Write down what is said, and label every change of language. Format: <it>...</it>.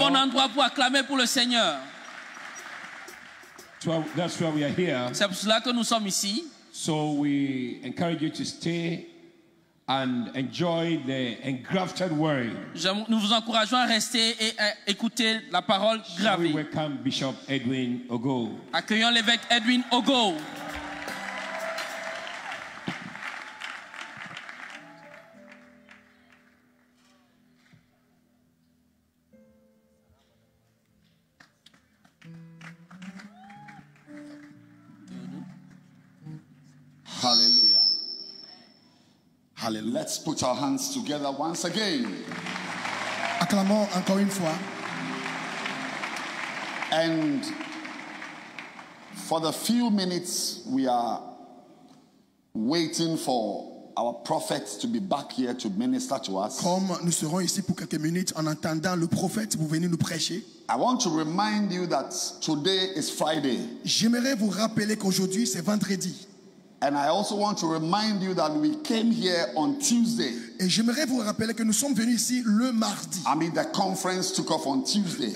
<fr>C'est un bon endroit pour acclamer pour le Seigneur.</fr> <en>So that's why we are here.</en> <fr>C'est pour cela que nous sommes ici.</fr> <en>So we encourage you to stay and enjoy the engrafted word.</en> <fr>Nous vous encourageons à rester et à écouter la parole gravée.</fr> <en>Shall we welcome Bishop Edwin Ogo.</en> <fr>Accueillons l'évêque Edwin Ogo.</fr> <en>Hallelujah. Let's put our hands together once again.</en> <fr>Acclamons encore une fois.</fr> <en>And for the few minutes we are waiting for our prophets to be back here to minister to us.</en> <fr>Comme nous serons ici pour quelques minutes en attendant le prophète pour venir nous prêcher.</fr> <en>I want to remind you that today is Friday.</en> <fr>J'aimerais vous rappeler qu'aujourd'hui c'est vendredi.</fr> <en>And I also want to remind you that we came here on Tuesday.</en> <fr>Et j'aimerais vous rappeler que nous sommes venus ici le mardi.</fr> <en>I mean, the conference took off on Tuesday.</en>